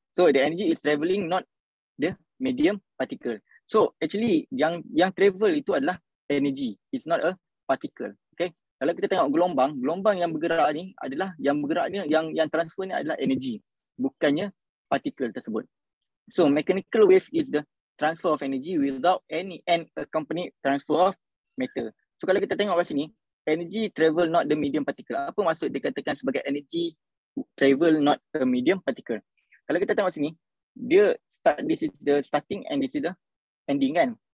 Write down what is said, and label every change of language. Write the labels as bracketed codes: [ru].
[en] So the energy is traveling, not the medium particle. So actually yang travel itu adalah energy, it's not a particle. [ms] Okay, kalau kita tengok gelombang yang bergerak ni adalah, yang bergerak ni, yang transfer ni adalah energy, bukannya particle tersebut. So mechanical wave is the transfer of energy without any and accompanied transfer of matter. [en] So [ms] kalau kita tengok kat sini, [en] energy travel not the medium particle. [ms] Apa maksud dikatakan sebagai [en] energy travel not the medium particle? [ms] Kalau kita tengok sini, dia start, [en] this is the starting and this is the ending kan.